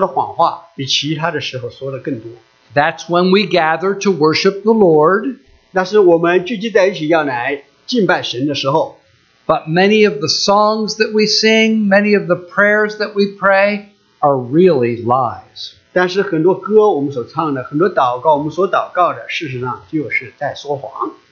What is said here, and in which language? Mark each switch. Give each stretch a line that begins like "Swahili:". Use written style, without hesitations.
Chinese: 我深信,神的民在星期天早上的时候所说的谎话比其他的时候说的更多。
English: That's when we gather to worship the Lord.
Chinese: 那是我们聚集在一起要来敬拜神的时候。
English: But many of the songs that we sing, many of the prayers that we pray, are really lies.
Chinese: 但是很多歌我们所唱的,很多祷告我们所祷告的,事实上就是在说谎。